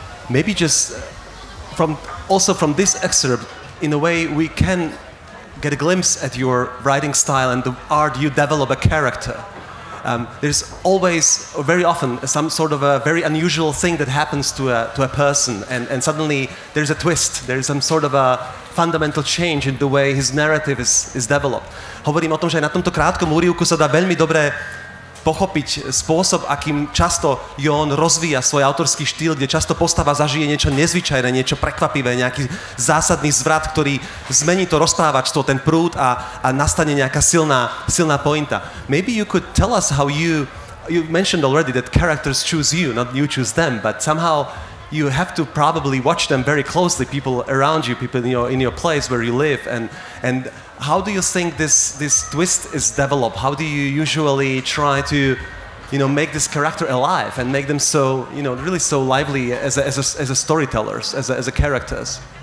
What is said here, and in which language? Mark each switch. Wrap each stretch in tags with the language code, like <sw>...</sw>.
<en>Maybe just from this excerpt, in a way, we can get a glimpse at your writing style and the art you develop a character. There's always, or very often, some sort of a very unusual thing that happens to a person, and suddenly there's a twist. There is some sort of a fundamental change in the way his narrative is developed.</en> <sk>Hovorím o tom, že na tomto krátkom úryvku sa dá veľmi dobre pochopiť spôsob, akým často Jón rozvíja svoj autorský štýl, kde často postava zažije niečo nezvyčajné, niečo prekvapivé, nejaký zásadný zvrat, ktorý zmení to rozprávačstvo, ten prúd a nastane nejaká silná pointa.</sk> <en>Maybe you could tell us how you mentioned already that characters choose you, not you choose them, but somehow you have to probably watch them very closely, people around you, people in your place where you live, and how do you think this twist is developed? How do you usually try to, you know, make this character alive and make them so, you know, really so lively as a storytellers, as a characters?</en>